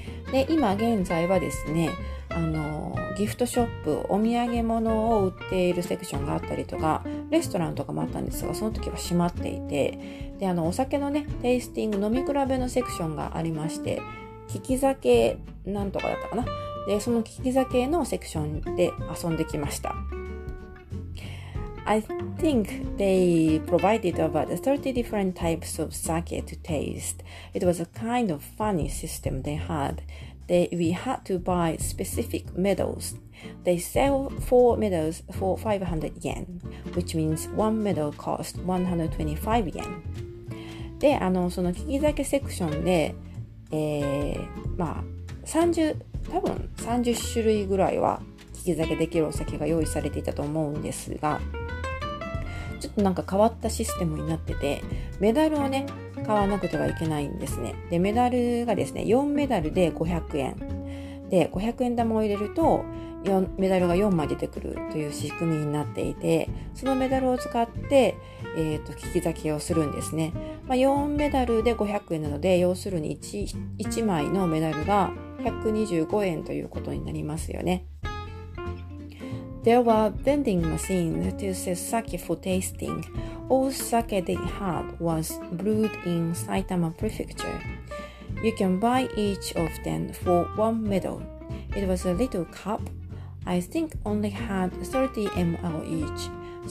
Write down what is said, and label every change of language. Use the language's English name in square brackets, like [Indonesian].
[Japanese] で、今現在はですね、ギフトショップ、お土産物を売っているセクションがあったりとか、レストランとかもあったんですが、その時は閉まっていて、で、お酒のね、テイスティング、飲み比べのセクションがありまして、利き酒なんとかだったかな、で、その利き酒のセクションで遊んできました。 [English] I think they provided about 30 different types of sake to taste. It was a kind of funny system they had. We had to buy specific medals. They sell 4 medals for 500 yen, which means 1 medal cost 125 yen. [Japanese] で、その利き酒セクションで、30種類ぐらいは利き酒できるお酒が用意されていたと思うんですが、ちょっとなんか変わったシステムになってて、メダルをね、買わなくてはいけないんですね。で、メダルがですね、4メダルで500円。で、500円玉を入れると、メダルが4枚出てくるという仕組みになっていて、そのメダルを使って、利き酒をするんですね。まあ、4メダルで500円なので、要するに 1枚のメダルが125円ということになりますよね。 [English] There were vending machines to sell sake for tasting. All sake they had was brewed in Saitama Prefecture. You can buy each of them for 1 medal. It was a little cup. I think only had 30 ml each.